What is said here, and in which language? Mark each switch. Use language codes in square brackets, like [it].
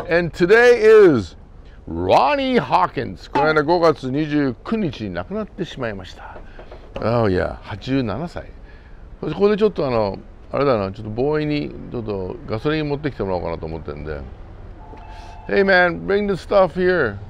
[en] And today is Ronnie Hawkins. [ja] この間5月29日に亡くなってしまいました。 [en] Oh yeah, [ja] 87歳。ここでちょっとあれだな、ちょっとボーイにちょっとガソリン持ってきてもらおうかなと思ってんで。 [en] Hey man, bring the stuff here.